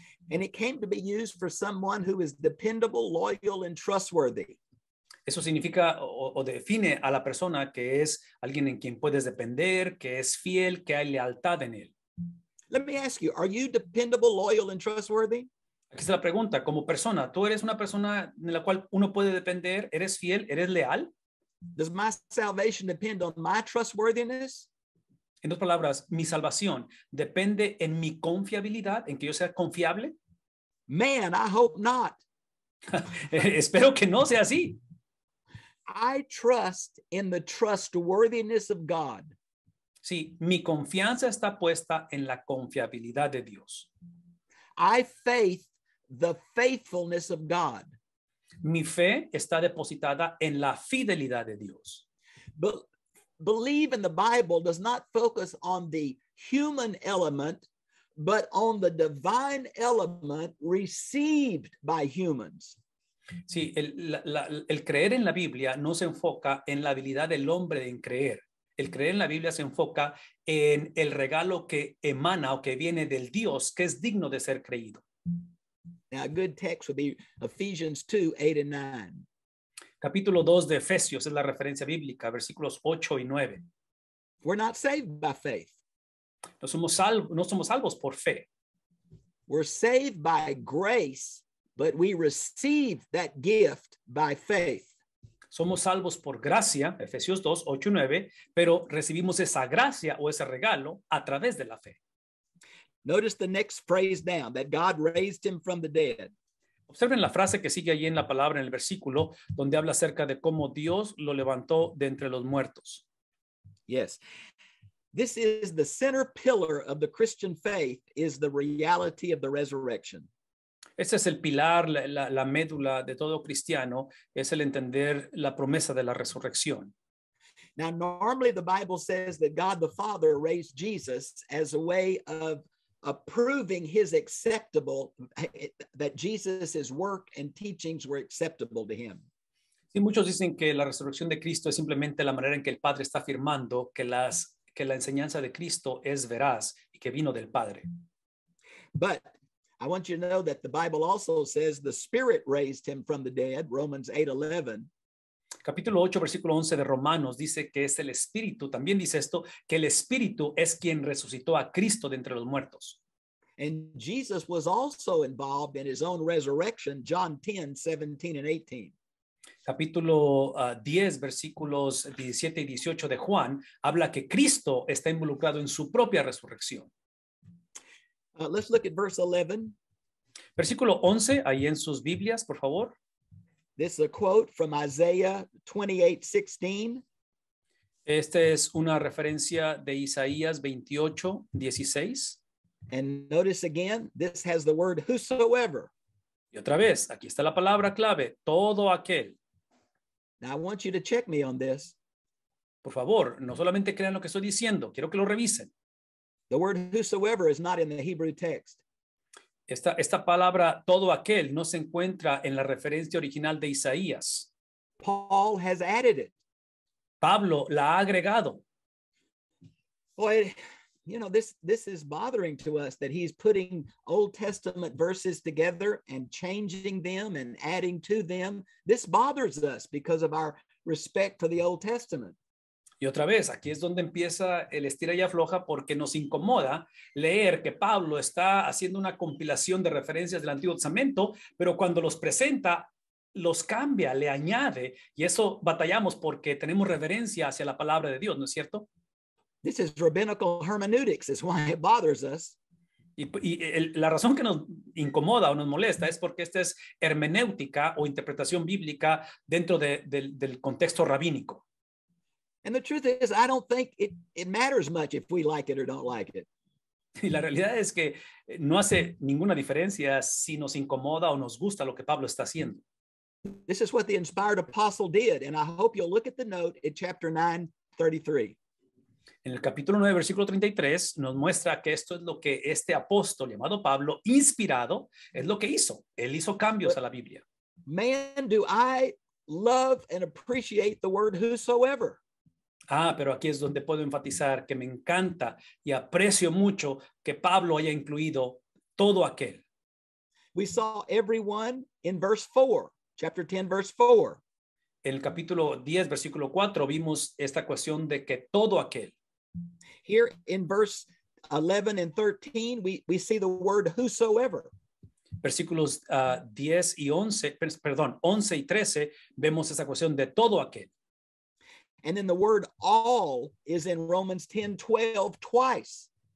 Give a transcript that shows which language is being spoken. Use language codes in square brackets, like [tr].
[en] And it came to be used for someone who is dependable, loyal, and trustworthy. [es] Eso significa o define a la persona que es alguien en quien puedes depender, que es fiel, que hay lealtad en él. [en] Let me ask you, are you dependable, loyal, and trustworthy? [es] Aquí está la pregunta, como persona, ¿tú eres una persona en la cual uno puede depender? ¿Eres fiel? ¿Eres leal? [en] Does my salvation depend on my trustworthiness? [es] En otras palabras, ¿mi salvación depende en mi confiabilidad, en que yo sea confiable? [en] Man, I hope not. [es] Espero que no sea así. [en] I trust in the trustworthiness of God. [es] Sí, mi confianza está puesta en la confiabilidad de Dios. [en] I faith the faithfulness of God. [es] Mi fe está depositada en la fidelidad de Dios. [en] Believe in the Bible does not focus on the human element, but on the divine element received by humans. [es] Sí, el creer en la Biblia no se enfoca en la habilidad del hombre en creer. El creer en la Biblia se enfoca en el regalo que emana o que viene del Dios que es digno de ser creído. [en] Now, a good text would be Ephesians 2, 8 and 9. [es] Capítulo 2 de Efesios es la referencia bíblica, versículos 8 y 9. [en] We're not saved by faith. [es] No somos salvos por fe. [en] We're saved by grace, but we receive that gift by faith. [es] Somos salvos por gracia, Efesios 2, 8 y 9, pero recibimos esa gracia o ese regalo a través de la fe. [en] Notice the next phrase down, that God raised him from the dead. [es] Observen la frase que sigue ahí en la palabra, en el versículo, donde habla acerca de cómo Dios lo levantó de entre los muertos. [en] Yes. This is the center pillar of the Christian faith, is the reality of the resurrection. [es] Este es el pilar, la médula de todo cristiano, es el entender la promesa de la resurrección. [en] Now, normally the Bible says that God the Father raised Jesus as a way of approving his acceptable, that Jesus's work and teachings were acceptable to him. [es] Sí, muchos dicen que la resurrección de Cristo es simplemente la manera en que el Padre está afirmando que la enseñanza de Cristo es veraz y que vino del Padre. [en] But I want you to know that the Bible also says the Spirit raised him from the dead, Romans 8:11. [es] Capítulo 8, versículo 11 de Romanos dice que es el Espíritu, también dice esto, que el Espíritu es quien resucitó a Cristo de entre los muertos. [en] And Jesus was also involved in his own resurrection, John 10, 17 and 18. [es] Capítulo 10, versículos 17 y 18 de Juan, habla que Cristo está involucrado en su propia resurrección. [en] Let's look at verse 11. [es] Versículo 11, ahí en sus Biblias, por favor. [en] This is a quote from Isaiah 28:16. [es] Esta es una referencia de Isaías 28:16. [en] And notice again, this has the word whosoever. [es] Y otra vez, aquí está la palabra clave, todo aquel. [en] Now I want you to check me on this. [es] Por favor, no solamente crean lo que estoy diciendo, quiero que lo revisen. [en] The word whosoever is not in the Hebrew text. [es] Esta palabra, todo aquel, no se encuentra en la referencia original de Isaías. [en] Paul has added it. [es] Pablo la ha agregado. [en] Boy, you know, this is bothering to us that he's putting Old Testament verses together and changing them and adding to them. This bothers us because of our respect for the Old Testament. [es] Y otra vez, aquí es donde empieza el estira y afloja porque nos incomoda leer que Pablo está haciendo una compilación de referencias del Antiguo Testamento, pero cuando los presenta, los cambia, le añade, y eso batallamos porque tenemos reverencia hacia la palabra de Dios, ¿no es cierto? [en] This is rabbinical hermeneutics, is why it bothers us. [es] La razón que nos incomoda o nos molesta es porque esta es hermenéutica o interpretación bíblica dentro del contexto rabínico. [en] And the truth is, I don't think it matters much if we like it or don't like it. [es] Y la realidad es que no hace ninguna diferencia si nos incomoda o nos gusta lo que Pablo está haciendo. [en] This is what the inspired apostle did, and I hope you'll look at the note in chapter 9, 33. [es] En el capítulo 9, versículo 33, nos muestra que esto es lo que este apóstol llamado Pablo, inspirado, es lo que hizo. Él hizo cambios a la Biblia. [en] Man, do I love and appreciate the word whosoever. [es] Ah, pero aquí es donde puedo enfatizar que me encanta y aprecio mucho que Pablo haya incluido todo aquel. [en] We saw everyone in verse 4, chapter 10, verse 4. [es] En el capítulo 10, versículo 4, vimos esta cuestión de que todo aquel. [en] Here in verse 11 and 13, we see the word whosoever. [es] Versículos 10 y 11, perdón, 11 y 13, vemos esa cuestión de todo aquel. [en] And then the word all is in Romans 10, 12, twice.